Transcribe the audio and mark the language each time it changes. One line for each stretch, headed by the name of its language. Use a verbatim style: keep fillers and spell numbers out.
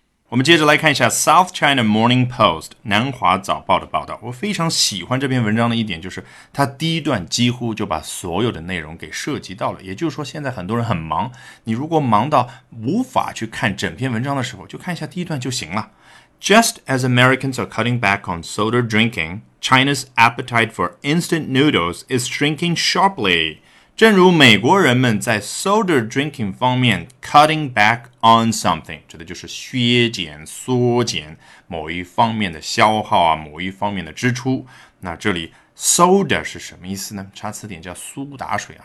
Chinese: 我们接着来看一下 South China Morning Post 南华早报的报道。我非常喜欢这篇文章的一点就是它第一段几乎就把所有的内容给涉及到了，也就是说现在很多人很忙，你如果忙到无法去看整篇文章的时候，就看一下第一段就行了。
English: Just as Americans are cutting back on soda drinking, China's appetite for instant noodles is shrinking sharply。
Chinese: 正如美国人们在 soda drinking 方面
English: cutting back on something，
Chinese: 指的就是削减、缩减某一方面的消耗啊，某一方面的支出。那这里 soda 是什么意思呢？查词典叫苏打水啊。